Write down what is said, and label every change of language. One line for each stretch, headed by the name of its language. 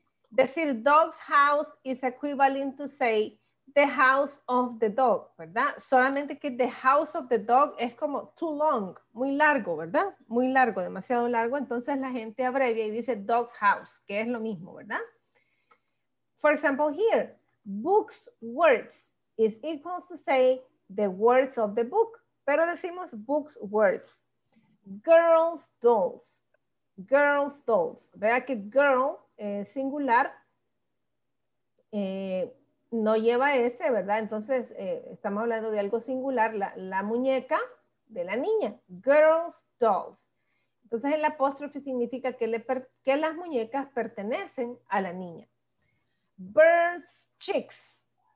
English: Decir dog's house is equivalent to say the house of the dog, ¿verdad?
Spanish: Solamente que
English: the house of the dog
Spanish: es como too long, muy largo, ¿verdad? Muy largo, demasiado largo. Entonces la gente abrevia y dice dog's house, que es lo mismo, ¿verdad?
English: For example here, book's words is equal to say the words of the book,
Spanish: pero decimos book's words. Girl's dolls, vea que girl singular, no lleva S, ¿verdad? Entonces, estamos hablando de algo singular, la muñeca de la niña. Girls, dolls. Entonces, el apóstrofe significa que las muñecas pertenecen a la niña. Birds, chicks.